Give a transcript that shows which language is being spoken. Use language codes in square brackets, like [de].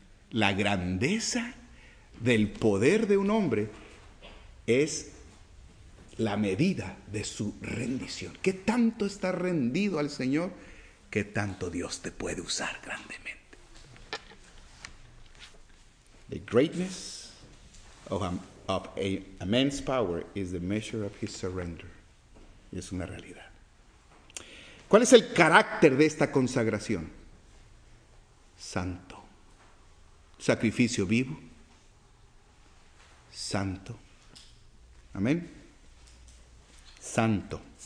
[es] La grandeza del poder de un hombre es la medida de su rendición. ¿Qué tanto está rendido al Señor? ¿Qué tanto Dios te puede usar grandemente? [en] The greatness of a man's power is the measure of his surrender. [es] Y es una realidad. ¿Cuál es el carácter de esta consagración? Santo. Sacrificio vivo, santo. Amén. Santo.